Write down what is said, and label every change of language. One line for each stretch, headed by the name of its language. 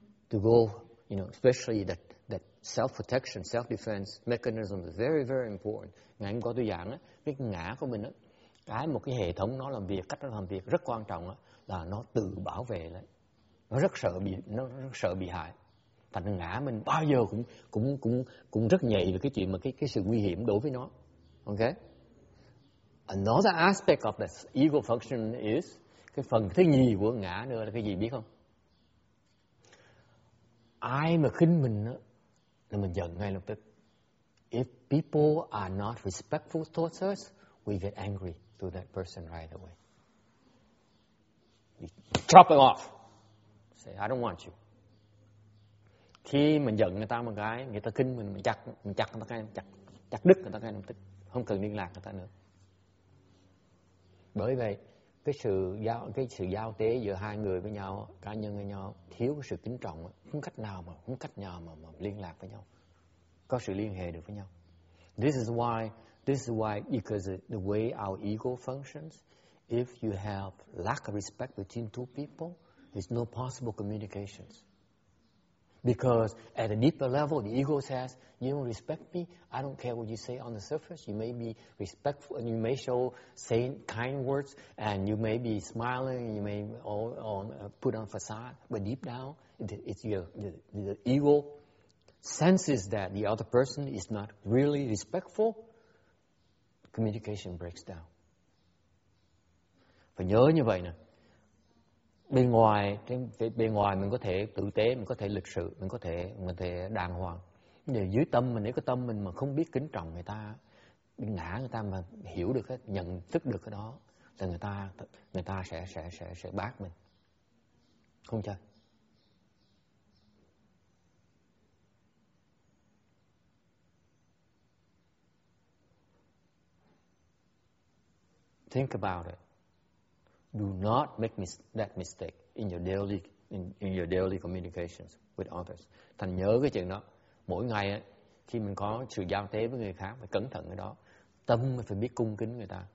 English: To go, you know, especially that self-protection, self-defense mechanism is very, very important.
Vietnamese: Ngày hôm qua tôi giảng, cái ngã của mình, cái một cái hệ thống nó làm việc, cách nó làm việc rất quan trọng là nó tự bảo vệ lại. Nó rất sợ bị hại. Thành ngã mình bao giờ cũng rất nhạy về cái chuyện mà cái sự nguy hiểm đối với nó. Okay?
English: Another aspect of that ego function is
Vietnamese: cái phần thứ nhì của ngã nữa là cái gì biết không? Ai mà khinh mình đó, là mình giận ngay lập tức.
English: If people are not respectful towards us, we get angry to that person right away. We chop it off. Say, I don't want you.
Vietnamese: Khi mình giận người ta một cái, người ta khinh mình chặt người ta cái, chặt đứt người ta cái, không cần liên lạc người ta nữa. Bởi vậy, cái sự giao tế giữa hai người với nhau, cá nhân với nhau, thiếu cái sự kính trọng, không cách nào mà liên lạc với nhau, có sự liên hệ được với nhau.
English: This is why, because the way our ego functions, if you have lack of respect between two people, there's no possible communications. Because at a deeper level, the ego says, you don't respect me, I don't care what you say on the surface, you may be respectful and you may show saying kind words and you may be smiling, you may put on facade, but deep down, the ego senses that the other person is not really respectful, communication breaks down.
Vietnamese: Phải nhớ như vậy nè. Bên ngoài mình có thể tử tế, mình có thể lịch sự, mình có thể đàng hoàng. Nhưng dưới tâm mình, nếu cái tâm mình mà không biết kính trọng người ta, biết ngã người ta mà hiểu được, nhận thức được cái đó, thì người ta sẽ bác mình. Không chơi.
English: Think about it. Do not make that mistake in your daily communications with others.
Vietnamese: Thành nhớ cái chuyện đó. Mỗi ngày ấy, khi mình có sự giao tế với người khác, phải cẩn thận cái đó. Tâm mình phải biết cung kính người ta.